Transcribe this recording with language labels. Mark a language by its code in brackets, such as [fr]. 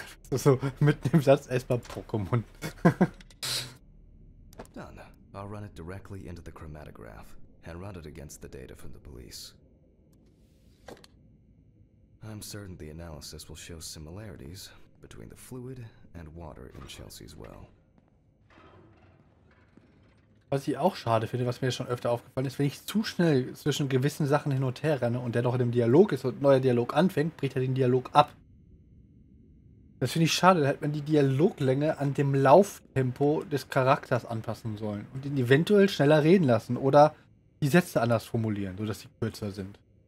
[de] So, mit dem Satz erstmal Pokémon. [en] Done. I'll run it directly into the chromatograph and run it against the data from the police. I'm certain the analysis will show similarities between the fluid and water in Chelsea's well. [de] Was ich auch schade finde, was mir schon öfter aufgefallen ist, wenn ich zu schnell zwischen gewissen Sachen hin und her renne und der noch in dem Dialog ist und ein neuer Dialog anfängt, bricht er den Dialog ab. Das finde ich schade, da hätte man die Dialoglänge an dem Lauftempo des Charakters anpassen sollen und ihn eventuell schneller reden lassen oder die Sätze anders formulieren, sodass sie kürzer sind.